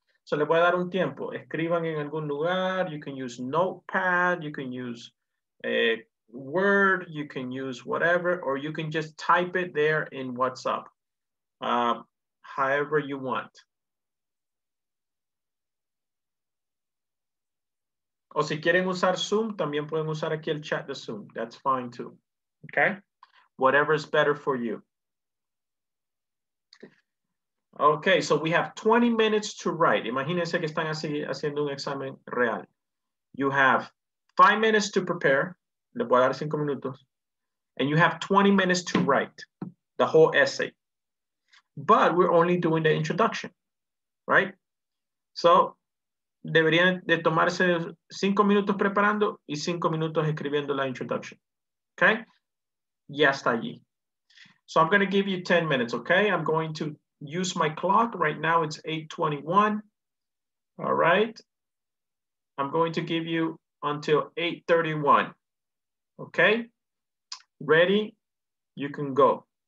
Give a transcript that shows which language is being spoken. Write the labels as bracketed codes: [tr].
[es] So le voy a dar un tiempo. Escriban en algún lugar. [en] You can use Notepad. You can use a Word. You can use whatever, or you can just type it there in WhatsApp, however you want. [es] O si quieren usar Zoom, también pueden usar aquí el chat de Zoom. [en] That's fine too, okay? Whatever is better for you. Okay, so we have 20 minutes to write. [es] Imagínense que están así haciendo un examen real. [en] You have 5 minutes to prepare. [es] Le voy a dar 5 minutos. [en] And you have 20 minutes to write the whole essay. But we're only doing the introduction, right? [es] So deberían de tomarse 5 minutos preparando y 5 minutos escribiendo la introduction, okay? Y hasta allí. [en] So I'm going to give you 10 minutes, okay? I'm going to use my clock. Right now it's 8:21. All right. I'm going to give you until 8:31. Okay. Ready? You can go.